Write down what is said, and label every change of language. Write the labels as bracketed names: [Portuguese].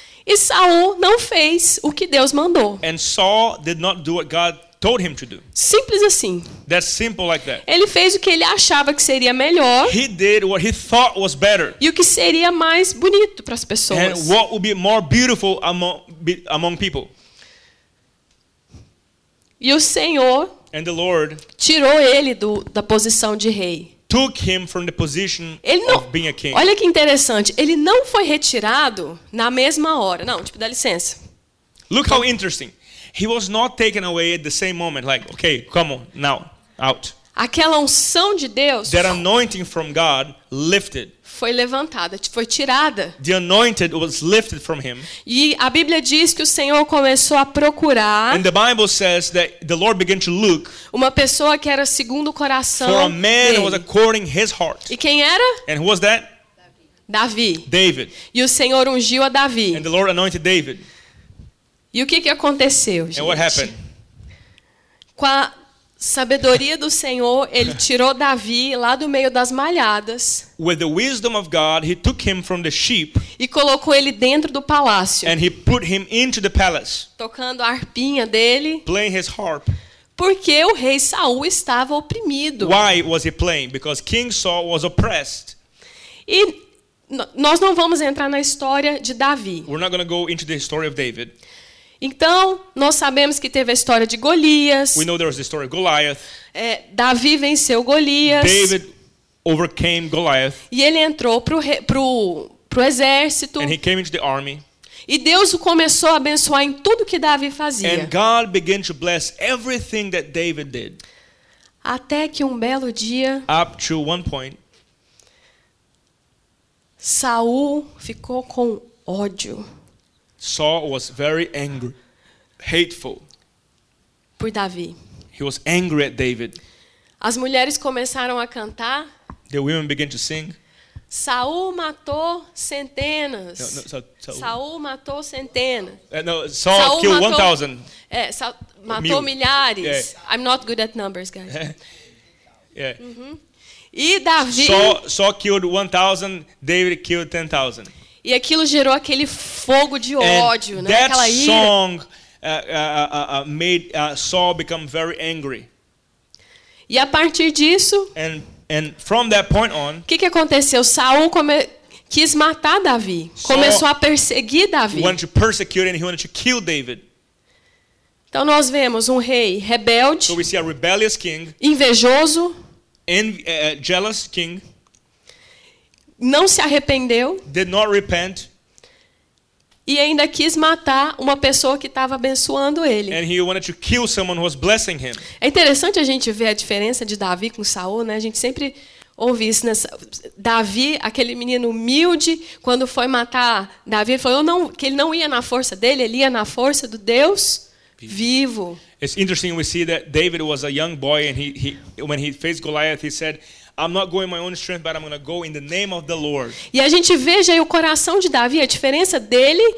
[Portuguese] E Saul não fez o que Deus mandou. [English] And Saul did not do what God told him to do. [Portuguese] Simples assim. [English] That's simple like that. [Portuguese] Ele fez o que ele achava que seria melhor. [English] He did what he thought was better. [Portuguese] E o que seria mais bonito para as pessoas. [English] And what would be more beautiful among people. [Portuguese] E o Senhor, [English] and the Lord, [Portuguese] tirou ele da posição de rei. Took him from the position of being a king. Olha que interessante, ele não foi retirado na mesma hora. Não, tipo, dá licença. [English] Look how interesting. He was not taken away at the same moment. Like, okay, come on, now, out. [Portuguese] Aquela unção de Deus, [English] that anointing from God lifted. [Portuguese] Foi levantada, foi tirada. [English] The anointed was lifted from him. [Portuguese] E a Bíblia diz que o Senhor começou a procurar. [English] And the Bible says that the Lord began to look. [Portuguese] Uma pessoa que era segundo o coração. [English] For a man who was according his heart. [Portuguese] E quem era? [English] And who was that? [Portuguese] Davi. [English] David. [Portuguese] E o Senhor ungiu a Davi. [English] And the Lord anointed David. [Portuguese] E o que aconteceu, gente? [English] And what happened? [Portuguese] Com a sabedoria do Senhor, ele tirou Davi lá do meio das malhadas. [English] With the wisdom of God, he took him from the sheep. [Portuguese] E colocou ele dentro do palácio. [English] And he put him into the palace. [Portuguese] Tocando a harpinha dele. [English] Playing his harp. [Portuguese] Porque o rei Saul estava oprimido. [English] Why was he playing? Because King Saul was oppressed. [Portuguese] E nós não vamos entrar na história de Davi. [English] We're not going to go into the story of David. [Portuguese] Então, nós sabemos que teve a história de Golias. [English] We know there was the story of Goliath. [Portuguese] Davi venceu Golias. [English] David overcame Goliath. [Portuguese] E ele entrou pro exército. [English] And he came into the army. [Portuguese] E Deus o começou a abençoar em tudo que Davi fazia. [English] And God began to bless everything that David did. [Portuguese] Até que um belo dia, [English] up to one point, [Portuguese] Saul ficou com ódio. [English] Saul was very angry, hateful. [Portuguese] Por Davi. [English] He was angry at David. [Portuguese] As mulheres começaram a cantar. [English] The women began to sing. [Portuguese] Saul matou centenas. Saul matou centenas. [English] Saul killed 1,000. [Portuguese] Saul matou milhares. [English] Yeah. I'm not good at numbers, guys. Yeah. [Portuguese] Uhum. E Davi. [English] Saul killed 1,000. David killed 10,000. [Portuguese] E aquilo gerou aquele fogo de ódio, [English] and [Portuguese] né? [English] That [Portuguese] aquela ira. [English] Song made Saul become very angry. [Portuguese] E a partir disso, [English] and from that point on, [Portuguese] que aconteceu? Saul quis matar Davi, começou a perseguir Davi. [English] Wanted to persecute and he wanted to kill David. [Portuguese] Então nós vemos um rei rebelde, [English] so we see a rebellious king, [Portuguese] invejoso, [English] jealous king. [Portuguese] Não se arrependeu. [English] Did not repent. [Portuguese] E ainda quis matar uma pessoa que estava abençoando ele. [English] And he wanted to kill someone who was blessing him. [Portuguese] É interessante a gente ver a diferença de Davi com Saul, né? A gente sempre ouve isso. Davi, aquele menino humilde, quando foi matar Davi, ele falou que ele não ia na força dele, ele ia na força do Deus vivo. [English] It's interesting we see that David was a young boy and he when he faced Goliath, he said, I'm not going my own strength, but I'm going to go in the name of the Lord. [Portuguese] E a gente veja aí o coração de Davi, a diferença dele.